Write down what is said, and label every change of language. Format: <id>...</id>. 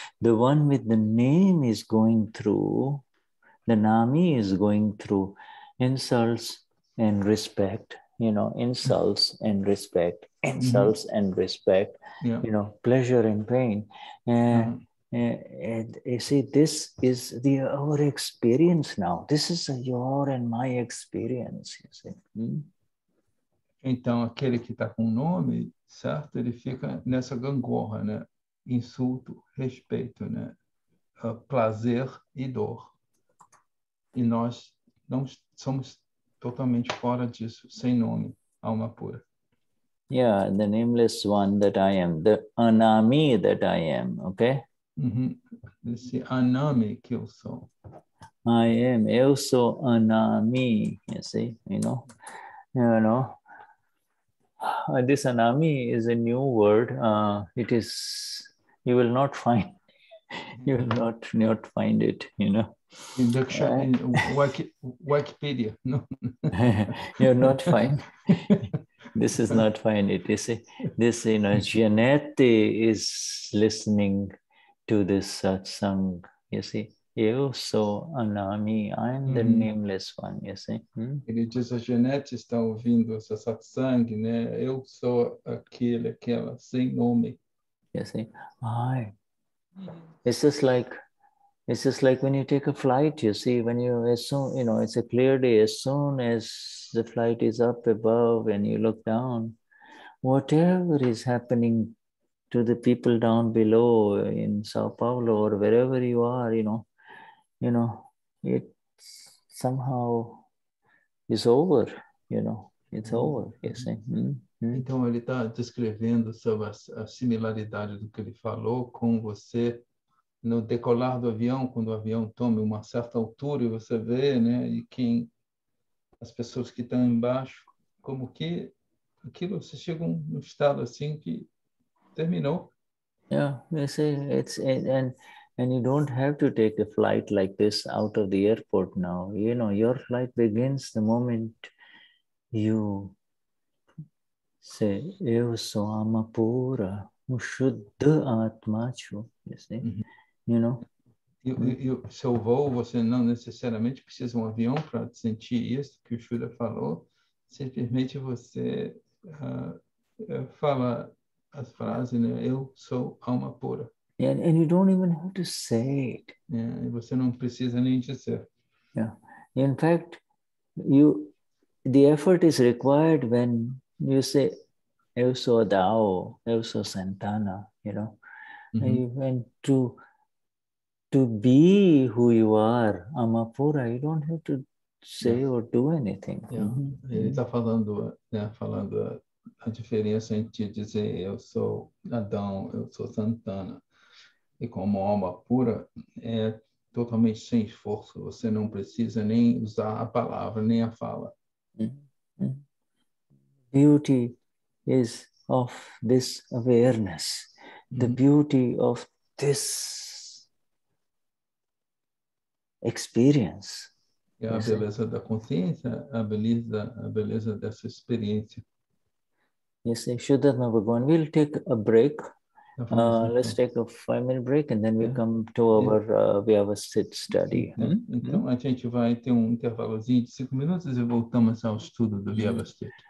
<en>The one with the name is going through, the Nami is going through insults and respect, you know, insults and respect, insults mm-hmm. and respect, yeah. You know, pleasure and pain. And you see, this is our experience now. This is your and my experience, you see.</en> <pt>Então, aquele que está com o nome, certo? Ele fica nessa gangorra, né? Insulto, respeito, né? Prazer e dor. E nós não somos totalmente fora disso, sem nome, alma pura.</pt> <en>Yeah, the nameless one that I am, the anami that I am, okay?</en> <pt>Uhum. Esse anami que eu sou.</pt> <en>I am,</en> <pt>eu sou anami,</pt> <en>you see, you know. This anami is a new word. It is, you will not find it, you know. In Wikipedia, no. You're not fine. This is not fine. It is, this, you know, Jeanette is listening to this satsang, you see.</en> <pt>Eu sou anami,</pt> <en>I'm the nameless one, you see.</en> <pt>Ele diz, a Jeanette está ouvindo essa satsang, né? Eu sou aquela, sem nome.</pt> <en>You see, I. It's just like when you take a flight, you see, when you, as soon, you know, it's a clear day, as soon as the flight is up above and you look down, whatever is happening to the people down below in Sao Paulo or wherever you are, you know, it somehow is over, you know, it's over, you see.</en> <pt>Então ele está descrevendo sobre a similaridade do que ele falou com você no decolar do avião, quando o avião toma uma certa altura e você vê, né, e quem, as pessoas que estão embaixo, como que aquilo, você chega num estado assim que terminou.</pt> <en>Yeah, you see, it's and you don't have to take a flight like this out of the airport now. You know, your flight begins the moment you say,</en> <pt>"Eu sou alma pura,</pt> <en>o Shuddha Atma chu." You see, you know.</en> <pt>You, seu voo, você não necessariamente precisa um avião para sentir isso que o Shuddha falou. Simplesmente você fala as frases, né? Eu sou alma pura.</pt> <en>And you don't even have to say it.</en> <pt>Yeah, e você não precisa nem dizer.</pt> <en>Yeah. In fact, the effort is required when you say,</en> <pt>eu sou Dao, eu sou Santana,</pt> <en>you know. Mm-hmm. And you went to be who you are, alma pura, you don't have to say or do anything. Yeah. Mm-hmm.</en> <pt>Ele está falando a diferença entre dizer eu sou Adão, eu sou Santana, e como alma pura, é totalmente sem esforço, você não precisa nem usar a palavra, nem a fala.</pt> <en>Beauty is of this awareness, the beauty of this experience.</en> <pt>E a beleza da consciência, a beleza dessa experiência.</pt> <en>You say, Vishuddhatma Bhagavan, we'll take a break. Let's take a 5-minute break and then we'll come to our Vyavasthit study.</en> <pt>Então, a gente vai ter intervalozinho de 5 minutos e voltamos ao estudo do Vyavasthit.</pt>